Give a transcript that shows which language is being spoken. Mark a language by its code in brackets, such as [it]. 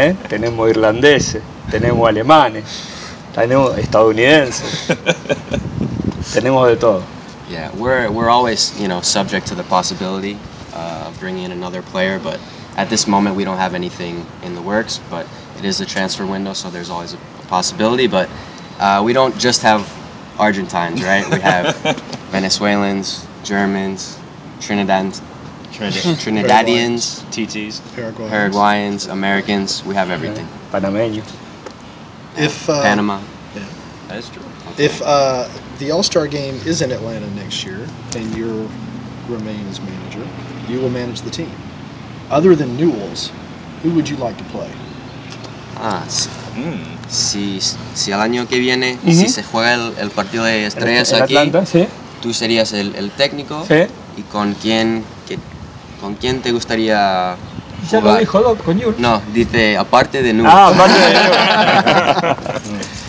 [es] Tenemos irlandeses, tenemos alemanes, tenemos estadounidenses, tenemos de todo. [en] Yeah, we're always, you know, subject to the possibility of bringing in another player, but at this moment we don't have anything in the works, but it is a transfer window, so there's always a possibility, but we don't just have Argentines, right? We have Venezuelans, Germans, Trinidadians, TTs, Paraguayans, Americans, we have everything. [es] Panameño. [en] Panama. That is true. Okay. If the All-Star game is in Atlanta next year, and you remain as manager, you will manage the team. Other than Newell's, who would you like to play? [es] Si el año que viene, si se juega el partido de estrellas en aquí, Atlanta, sí. Tú serías el técnico, sí. Y con quién te gustaría jugar? Ya lo dijo Doc, con Newell's. No, dice aparte de Newell's. Ah, aparte de Newell's.